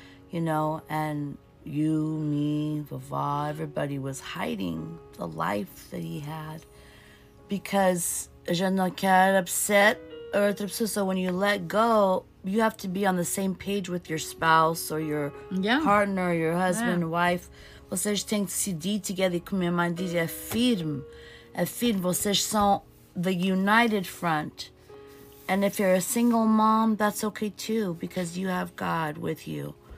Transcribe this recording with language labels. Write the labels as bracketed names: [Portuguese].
[English] You know, and you, me, Vava, everybody was hiding the life that he had because je ne quer upset or [Portuguese] autre pessoa. [English] So when you let go, you have to be on the same page with your spouse or your partner, your husband, wife. [Portuguese] Vocês têm que decidir [English] together, [Portuguese] como minha mãe diz, é firme. Vocês são [English] the united front. And if you're a single mom, that's okay too because you have God with you.